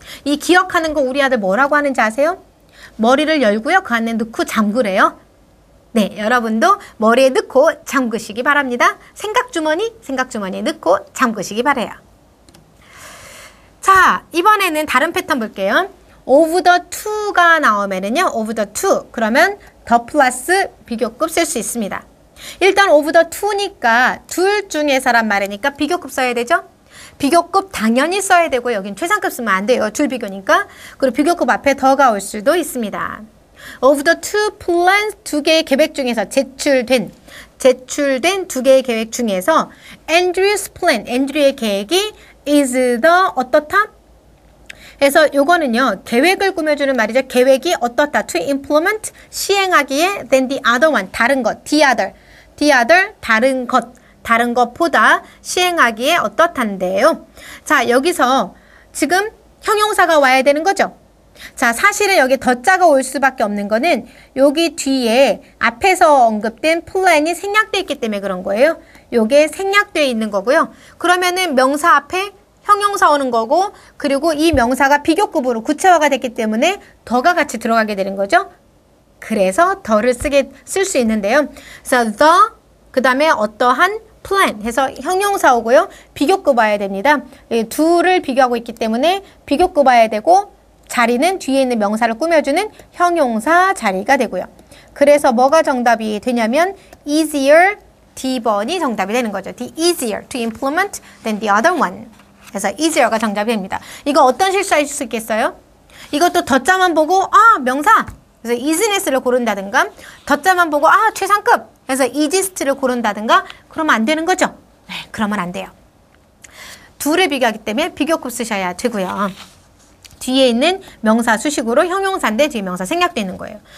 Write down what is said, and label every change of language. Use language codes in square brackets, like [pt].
[ko] 이 기억하는 거 우리 아들 뭐라고 하는지 아세요? 머리를 열고요. 그 안에 넣고 잠그래요. 네, 여러분도 머리에 넣고 잠그시기 바랍니다. 생각주머니, 생각주머니에 넣고 잠그시기 바래요. 자, 이번에는 다른 패턴 볼게요. of the two가 나오면은요. of the two, 그러면 the plus 비교급 쓸 수 있습니다. 일단 of the two니까 둘 중에서란 말이니까 비교급 써야 되죠. 비교급 당연히 써야 되고 여긴 최상급 쓰면 안 돼요. 둘 비교니까. 그리고 비교급 앞에 더가 올 수도 있습니다. [en] Of the two plans [ko] 두 개의 계획 중에서 제출된 두 개의 계획 중에서 Andrew's plan, Andrew의 계획이 is the 어떻다? 그래서 요거는요. 계획을 꾸며주는 말이죠. 계획이 어떻다? [en] To implement, [ko] 시행하기에 [en] than the other one, 다른 것, the other, 다른 것. [ko] 다른 것보다 시행하기에 어떻단데요. 자, 여기서 지금 형용사가 와야 되는 거죠. 자, 사실은 여기 더자가 올 수밖에 없는 거는 여기 뒤에 앞에서 언급된 플랜이 생략되어 있기 때문에 그런 거예요. 이게 생략되어 있는 거고요. 그러면은 명사 앞에 형용사 오는 거고 그리고 이 명사가 비교급으로 구체화가 됐기 때문에 더가 같이 들어가게 되는 거죠. 그래서 더를 쓰게 쓸 수 있는데요. So the 그 다음에 어떠한 plan 해서 형용사오고요. 비교급 와야 됩니다. 둘을 비교하고 있기 때문에 비교급 와야 되고 자리는 뒤에 있는 명사를 꾸며주는 형용사 자리가 되고요. 그래서 뭐가 정답이 되냐면 easier D번이 정답이 되는 거죠. [en] The easier to implement than the other one. [ko] 그래서 easier가 정답이 됩니다. 이거 어떤 실수할 수 있겠어요? 이것도 덧자만 보고 아 명사! 그래서 easiness를 고른다든가 덧자만 보고 아 최상급! 그래서 easiest를 고른다든가 그러면 안 되는 거죠? 네, 그러면 안 돼요. 둘을 비교하기 때문에 비교급 쓰셔야 되고요. 뒤에 있는 명사 수식으로 형용사인데 뒤에 명사 생략되는 거예요.